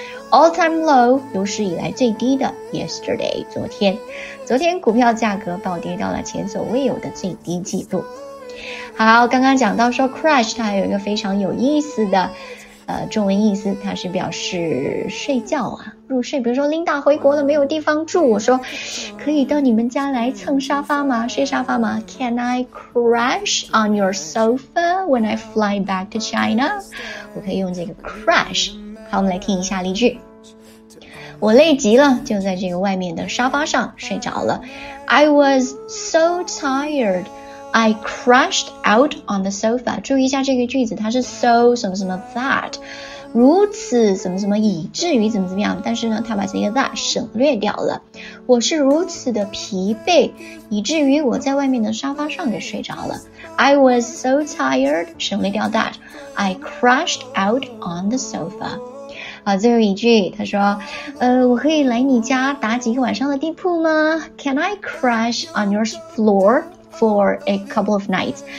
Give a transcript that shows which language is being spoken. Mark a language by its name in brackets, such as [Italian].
[English] all time low [Chinese] 有史以来最低的 yesterday 昨天，昨天股票价格暴跌到了前所未有的最低记录。好，刚刚讲到说 crash 它有一个非常有意思的中文意思，它是表示睡觉啊，入睡。比如说 Linda 回国了没有地方住，我说可以到你们家来蹭沙发吗，睡沙发吗？ [English] Can I crash on your sofa when I fly back to China? [Chinese] 我可以用这个 crash。好，我们来听一下例句。我累极了，就在这个外面的沙发上睡着了。 [English] I was so tired,I crashed out on the sofa. [Chinese] 注意一下这个句子，它是 so 什么什么 that, 如此什么什么以至于怎么怎么样，但是呢它把这个 that 省略掉了。我是如此的疲惫，以至于我在外面的沙发上给睡着了。 [English] I was so tired, [Chinese] 省略掉 [English] that, I crashed out on the sofa. [Chinese] 好，最后一句他说我可以来你家打几个晚上的地铺吗？ [English] Can I crash on your floorfor a couple of nights.